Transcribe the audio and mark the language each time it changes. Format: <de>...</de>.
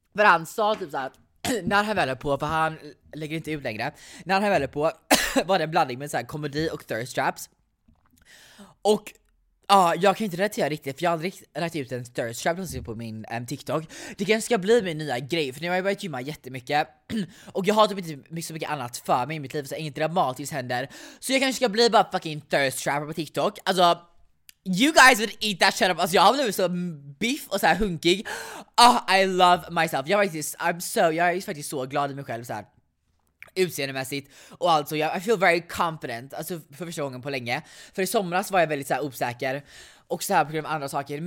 <sv>För han sa typ såhär att när han väl är på, för han lägger inte ut längre, när han väl är på var det en blandning med såhär komedi och thirst traps. Och Ja, jag kan inte relatera riktigt, för jag har aldrig lagt ut en thirst trap på min TikTok. Det kanske ska bli min nya grej, för nu har jag börjat gymma jättemycket. Och jag har typ inte så mycket annat för mig i mitt liv, så inget dramatiskt händer. Så jag kanske ska bli bara fucking thirst trap på TikTok.</sv> <en>Alltså, you guys would eat that shit up.</en> <sv>Alltså jag har blivit så biff och så här hunkig.</sv> <en>Oh, I love myself.</en> <sv>Jag är faktiskt, jag är faktiskt så glad i mig själv så här. Utseendemässigt och alltså jag,</sv> <en>I feel very confident,</en> <sv>alltså för första gången på länge. För i somras var jag väldigt så här osäker och så här på grund av andra saker.</sv>